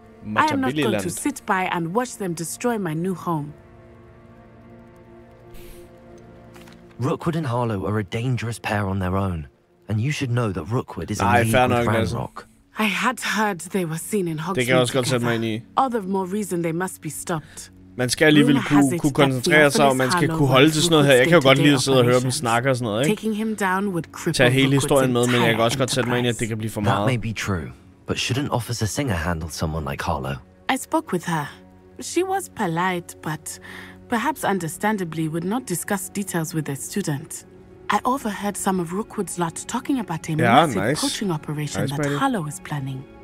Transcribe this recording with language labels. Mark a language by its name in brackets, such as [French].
[English] I am not going to sit by and watch them destroy my new home. Rookwood and Harlow are a dangerous pair on their own. And you should know that Rookwood is in league with Ranrock. I had heard they were seen in Hogsmeade. All the more reason they must be stopped. [Danish] Man skal alligevel kunne koncentrere sig, og man skal kunne holde til sådan noget her. Jeg kan jo godt lide at sidde og høre dem snakke og sådan noget, ikke? Tag hele historien med, men jeg kan også godt sætte mig ind i, at det kan blive for meget. [English] That may be true, but shouldn't Officer Singer handle someone like Harlow? I spoke with her. She was polite, but perhaps understandably would not discuss details with a student. I overheard some of Rookwood's lot talking about a massive poaching operation that Harlow is planning.